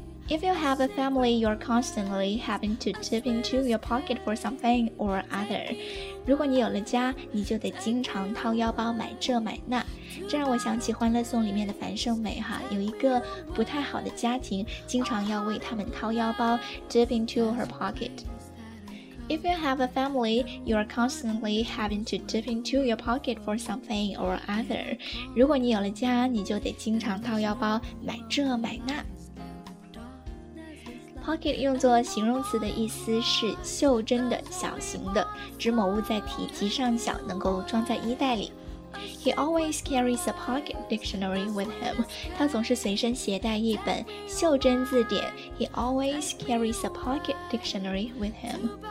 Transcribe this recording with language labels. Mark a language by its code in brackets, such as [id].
[en] If you have a family, you're constantly having to dip into your pocket for something or other。 [zh] 如果你有了家，你就得经常掏腰包买这买那。这让我想起《欢乐颂》里面的樊胜美哈，有一个不太好的家庭，经常要为他们掏腰包 ， [en] dip into her pocket。 If you have a family, you are constantly having to dip into your pocket for something or other。 [zh] 如果你有了家，你就得经常掏腰包买这买那。 Pocket 用作形容词的意思是袖珍的、小型的，指某物在体积上小，能够装在衣袋里。 [en] He always carries a pocket dictionary with him。 [zh] 他总是随身携带一本袖珍字典。 [en] He always carries a pocket dictionary with him。